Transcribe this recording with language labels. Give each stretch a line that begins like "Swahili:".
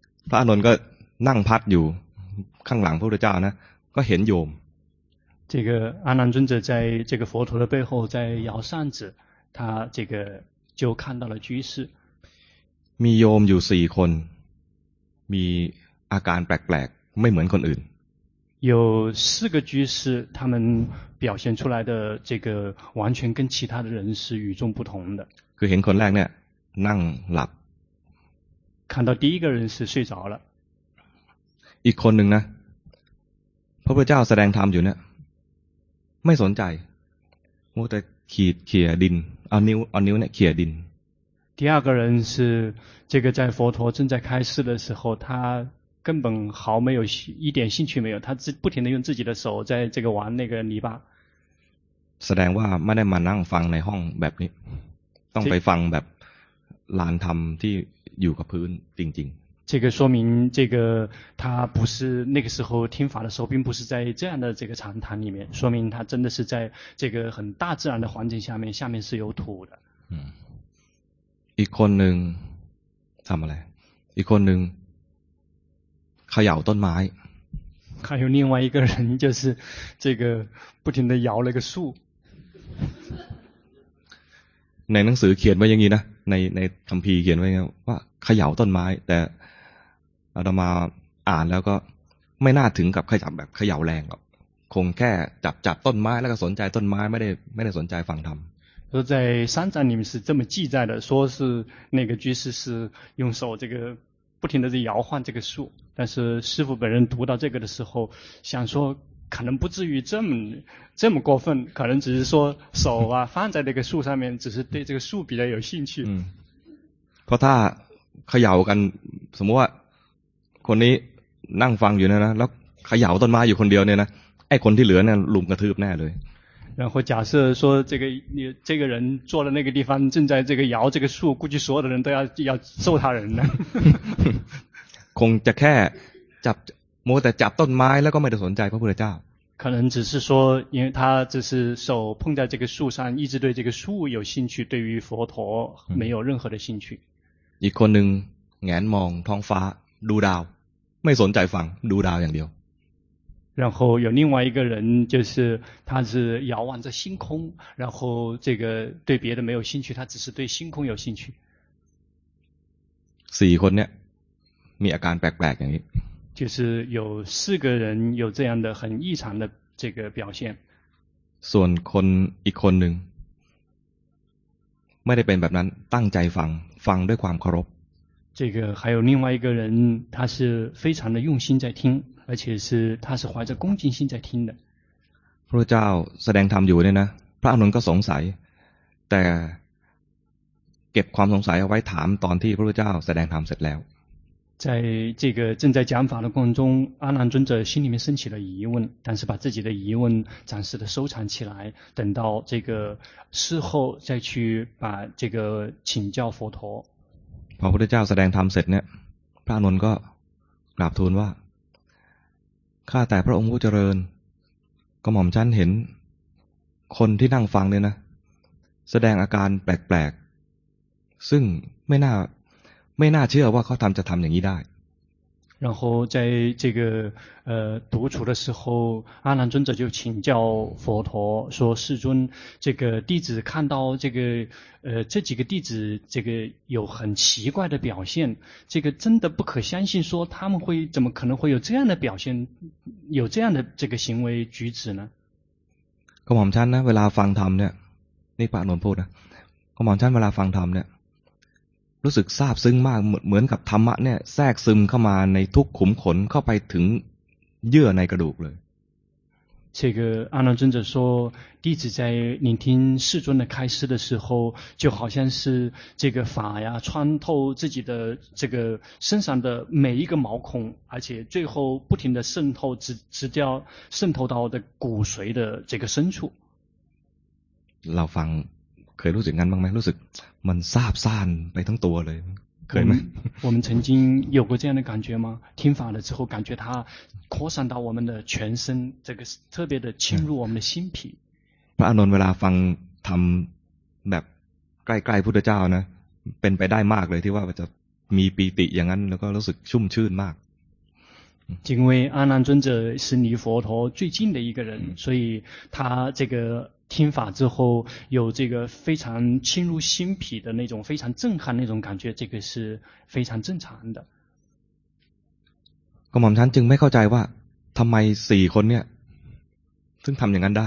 Thai: พระอานนท์ก็นั่งพัดอยู่ข้างหลังพระพุทธเจ้านะก็เห็นโยม
Chinese: 这个阿难尊者在这个佛陀的背后在摇扇子他这个就看到了居士
Thai: มีโยมอยู่สี่คนมีอาการแปลกๆไม่เหมือนคนอื่น
Chinese: 有四个居士他们表现出来的这个完全跟其他的人是与众不同的
Thai: คือเห็นคนแรกเนี่ยนั่งหลับ
Chinese: 看到第一个人是睡着了
Thai: อีกคนหนึ่งนะพระพุทธเจ้าแสดงธรรมอยู่เนี่ยไม่สนใจมัวแต่ขีดเขี่ยดินเอานิ้วเนี่ยเขี่ยดิน
Chinese: 第二个人是这个在佛陀正在开示的时候他根本毫没有一点兴趣没有他不停地用自己的手在这个玩那个泥巴
Thai: แสดงว่าไม่ได้มานั่งฟังในห้องแบบนี้ต้องไปฟังแบบลานธรรมที่อยู่กับพื้นจริง
Chinese: ๆ这个说明这个他不是那个时候听法的时候并不是在这样的这个禅堂里面说明他真的是在这个很大自然的环境下面是有土的
Thai: อีกคนหนึ่งทำอะไรอีกคนหนึ่งเขย่าต้นไม้
Chinese: 还有另外一个人就是这个不停地摇那个树
Thai: ในหนังสือเขียนไว้อย่างนี้นะในคัมภีร์เขียนไว้ว่าเขย่าต้นไม้แต่เรามาอ่านแล้วก็ไม่น่าถึงกับเขย่าแบบเขย่าแรงหรอกคงแค่จับต้นไม้แล้วก็สนใจต้นไม้ไม่ได้สนใจฟังธรรม
Chinese: 说在三藏里面是这么记载的说是那个居士是用手这个不停地在摇晃这个树但是师父本人读到这个的时候想说可能不至于这么过分可能只是说手啊放在那个树上面只是对这个树比较有兴趣
Thai: 嗯เพราะถ้าเขย่ากันสมมติว่าคนนี้นั่งฟังอยู่นะแล้วเขย่าต้นไม้อยู่คนเดียวเนี่ยนะไอ้คนที่เหลือเนี่ยลุมกระทืบแน่เลย
Chinese: 然后假设说这个人坐的那个地方正在这个摇这个树估计所有的人都要揍他人呢
Thai: คงจะแค่จับมัวแต่จับต้นไม้แล้วก็ไม่ได้สนใจพระพุทธเจ้า
Chinese: 可能只是说因为他只是手碰在这个树上一直对这个树有兴趣对于佛陀没有任何的兴趣
Thai: อีกคนหนึ่งแงนมองท้องฟ้าดูดาวไม่สนใจฟังดูดาวอย่างเดียว
Chinese: 然后有另外一个人就是他是遥望着星空然后这个对别的没有兴趣他只是对星空有兴趣四
Thai: คนเนี่ยมีอาการแปลกๆอย่างนี้
Chinese: 就是有四个人有这样的很异常的这个表现
Thai: ส่วนคนอีกคนหนึ่งไม่ได้เป็นแบบนั้นตั้งใจฟังด้วยความเคารพ
Chinese: 这个还有另外一个人他是非常的用心在听而且是他是怀着恭敬心在听的
Thai: พระเจ้าแสดงธรรมอยู่เนี่ยนะพระอานนท์ก็สงสัยแต่เก็บความสงสัยเอาไว้ถามตอนที่พระเจ้าแสดงธรรมเสร็จแล้ว
Chinese: 在这个正在讲法的过程中阿难尊者心里面升起了疑问但是把自己的疑问暂时的收藏起来等到这个事后再去把这个请教佛陀
Thai: พอพระเจ้าแสดงธรรมเสร็จเนี่ยพระอานนท์ก็กราบทูลว่าข้าแต่พระองค์ผู้เจริญก็หม่อมฉันเห็นคนที่นั่งฟังเนี่ยนะแสดงอาการแปลกๆซึ่งไม่น่าเชื่อว่าเขาทำจะทำอย่างนี้ได้
Chinese: 然后在这个独处的时候阿难尊者就请教佛陀说世尊这个弟子看到这个这几个弟子这个有很奇怪的表现这个真的不可相信说他们会怎么可能会有这样的表现有这样的这个行为举止呢
Thai: ก็หม่อมฉันนะเวลาฟังธรรมเนี่ยนี่พระอานนท์พูดนะก็หม่อมฉันเวลาฟังธรรมเนี่ยรู้สึกซาบซึ้งมากเหมือนกับธรรมะเนี่ยแทรกซึมเข้ามาในทุกขุมขนเข้าไปถึงเยื่อในกระดูกเลย
Chinese: 这个阿难尊者说弟子在聆听世尊的开示的时候就好像是这个法呀穿透自己的这个身上的每一个毛孔而且最后不停的渗透直到渗透到的骨髓的这个深处
Thai: เราฟัง คยรู้สึกงั้นบ้างไหมรู้สึกมันซาบซ่านไปทั้งตัวเลยเคยไหม
Chinese: 我们曾经有过这样的感觉吗听法了之后感觉它扩散到我们的全身这个特别的侵入我们的心脾
Thai: พระอานนท์เวลาฟังทำแบบใกล้ๆพระพุทธเจ้านะเป็นไปได้มากเลยที่ว่าจะมีปีติอย่างนั้นแล้วก็รู้สึกชุ่มชื่นมาก
Chinese: 因为阿难尊者是离佛陀最近的一个人，所以他这个听法之后有这个非常侵入心脾的那种非常震撼那种感觉，这个是非常正常的。
Thai: ก็หม่อมฉันจึงไม่เข้าใจว่าทำไมสี่คนเนี่ยซึ่งทำอย่างนั้นได